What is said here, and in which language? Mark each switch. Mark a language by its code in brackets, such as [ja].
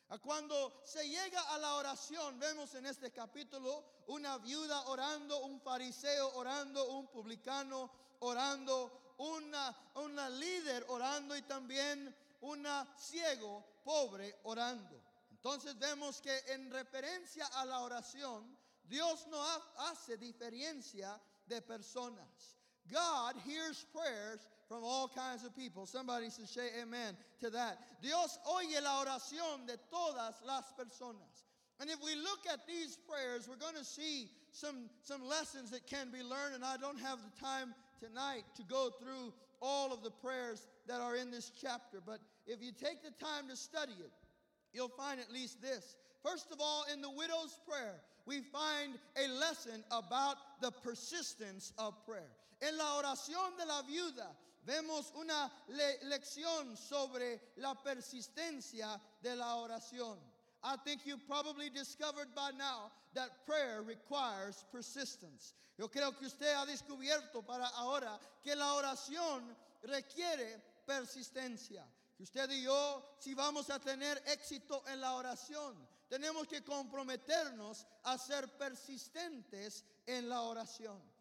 [es] Cuando se llega a la oración, vemos en este capítulo una viuda orando, un fariseo orando, un publicano orando, una líder orando y también una ciego pobre orando. Entonces vemos que en referencia a la oración, Dios no hace diferencia de personas. [en] God hears prayers from all kinds of people. Somebody should say amen to that. [es] Dios oye la oración de todas las personas. [en] And if we look at these prayers, we're going to see some lessons that can be learned. And I don't have the time tonight to go through all of the prayers that are in this chapter. But if you take the time to study it, you'll find at least this. First of all, in the widow's prayer, we find a lesson about the persistence of prayer. [es] En la oración de la viuda, vemos una lección sobre la persistencia de la oración. [en] I think you probably discovered by now that prayer requires persistence. [es] Yo creo que usted ha descubierto para ahora que la oración requiere persistencia. Que usted y yo, si vamos a tener éxito en la oración, tenemos que comprometernos a ser persistentes en la oración.